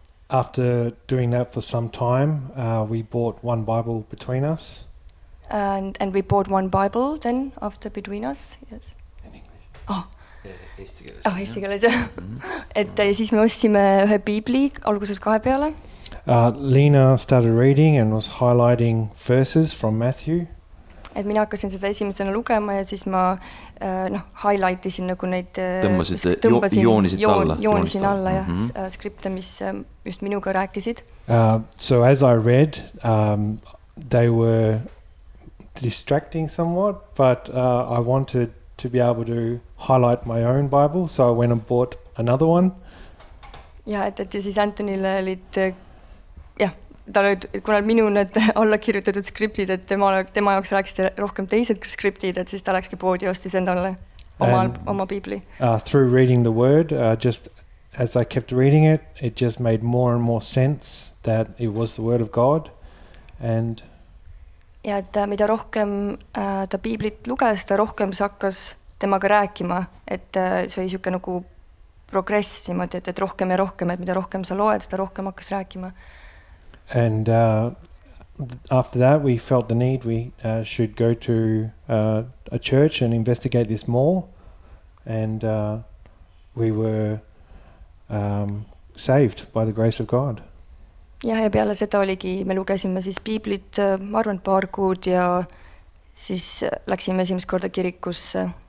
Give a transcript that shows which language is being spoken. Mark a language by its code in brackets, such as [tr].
[en] After doing that for some time, we bought one Bible between us. And we bought one Bible then after between us, yes. In English. Oh. [et] Eesti keeles. Oh, eesti keeles, jah. Et siis me ostsime ühe biibli alguses kahe peale. [en] Lena started reading and was highlighting verses from Matthew. [et] Et mina hakkasin seda esimesena lugema ja siis ma highlightisin nagu neid joonisin alla ja skripte, mis just minuga rääkisid. [en] So as I read, they were distracting somewhat, but I wanted to be able to highlight my own Bible, so I went and bought another one. [et] Ja, et siis Antonil olid kuna minu need alla kirjutatud skriptid, et tema jaoks rääkis rohkem teised skriptid, et siis ta läkski poodi ostis endale oma piibli. [en] Through reading the word, just as I kept reading it, it just made more and more sense that it was the word of God. And [et] ja, et mida rohkem ta piiblit luges, ta rohkem hakkas temaga rääkima, et see oli siuke nagu progress, niimoodi, et rohkem ja rohkem, et mida rohkem sa loed, ta rohkem hakkas rääkima. [en] And after that we felt the need we should go to a church and investigate this more, and we were saved by the grace of God. [et] Ja peale seda oligi, me lugesime siis piiblit, ma arvan, paar kuud ja siis läksime esimest korda kirikusse.